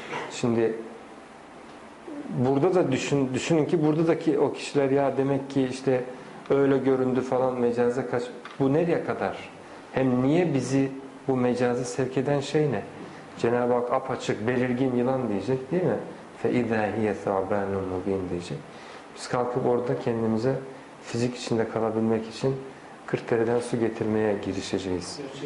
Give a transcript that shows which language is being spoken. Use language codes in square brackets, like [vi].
[tr] Şimdi burada da düşünün ki buradaki o kişiler ya demek ki işte öyle göründü falan, mecaze kaç, bu nereye kadar? Hem niye bizi bu mecaze sevk eden şey ne? Cenab-ı Hak apaçık belirgin yılan diyecek değil mi? [ar] فَاِذَا هِيَ ثَعْبَانٌ مُب۪ينٌ diyecek. [tr] Biz kalkıp orada kendimize fizik içinde kalabilmek için 40 dereden su getirmeye girişeceğiz.